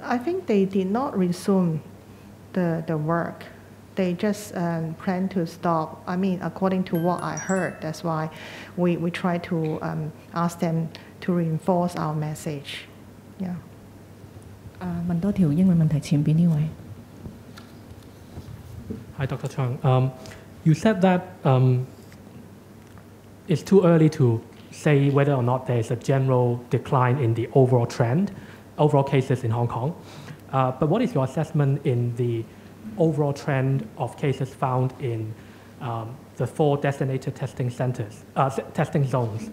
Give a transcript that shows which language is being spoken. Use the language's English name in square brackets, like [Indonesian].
[English] I think they did not resume the work. They just plan to stop. I mean, according to what I heard, that's why we try to ask them to reinforce our message. Yeah. [Cantonese] 問多條英文問題，前邊呢位。 [English] Hi, Dr. Chang. You said that it's too early to say whether or not there's a general decline in the overall trend, overall cases in Hong Kong. But what is your assessment in the overall trend of cases found in the 4 designated testing centers, testing zones?